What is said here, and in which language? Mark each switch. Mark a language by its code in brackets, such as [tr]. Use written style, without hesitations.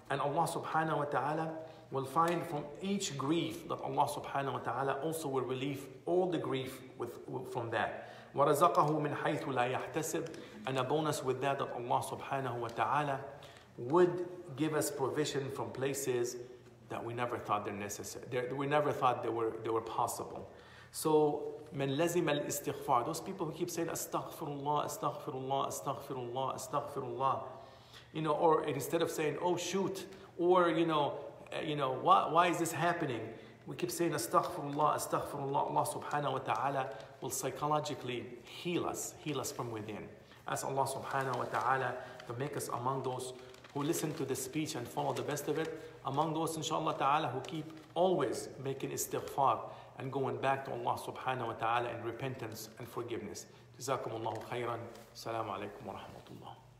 [en] And Allah subhanahu wa ta'ala will find from each grief that Allah subhanahu wa ta'ala also will relieve all the grief from that. [ar] وَرَزَقَهُ مِنْ حَيْثُ لَا يَحْتَسِبُ. [en] And a bonus with that Allah subhanahu wa ta'ala would give us provision from places that we never thought they're necessary. We never thought they were possible. [ar] So مَنْ لَزِمَ الْإِسْتِغْفَارِ. [en] Those people who keep saying astaghfirullah, astaghfirullah, astaghfirullah, astaghfirullah. You know, or instead of saying, oh shoot, or you know, why is this happening? We keep saying astaghfirullah, astaghfirullah. Allah subhanahu wa ta'ala will psychologically heal us from within. Ask Allah subhanahu wa ta'ala to make us among those who listen to the speech and follow the best of it, among those inshallah ta'ala who keep always making istighfar and going back to Allah subhanahu wa ta'ala in repentance and forgiveness. Jazakumullahu khayran. Assalamu alaikum wa rahmatullah.